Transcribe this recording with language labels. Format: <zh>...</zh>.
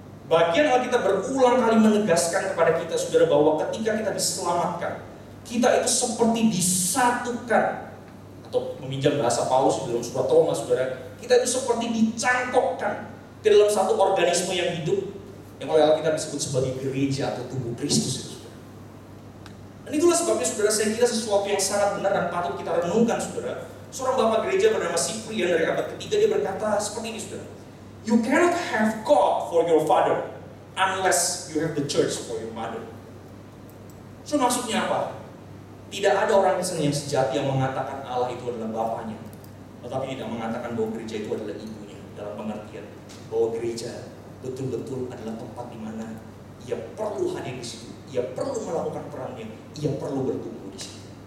<id>Bagian Alkitab berulang kali menegaskan kepada kita, saudara, bahwa ketika kita diselamatkan, kita itu seperti disatukan, atau meminjam bahasa Paulus di dalam surat Roma, saudara, kita itu seperti dicangkokkan ke dalam satu organisme yang hidup, yang oleh Alkitab disebut sebagai gereja atau tubuh Kristus itu, saudara. Dan itulah sebabnya, saudara, saya kira sesuatu yang sangat benar dan patut kita renungkan, saudara. Seorang bapak gereja bernama Cyprian dari abad ketiga, dia berkata seperti ini, saudara.</id> <en>You cannot have God for your father unless you have the church for your mother.</en> <id>So maksudnya apa? Tidak ada orang Kristen yang sejati yang mengatakan Allah itu adalah bapaknya, tetapi tidak mengatakan bahwa gereja itu adalah ibunya, dalam pengertian bahwa gereja betul-betul adalah tempat di mana ia perlu hadir di situ, ia perlu melakukan perannya, ia perlu bertumbuh di situ.</id>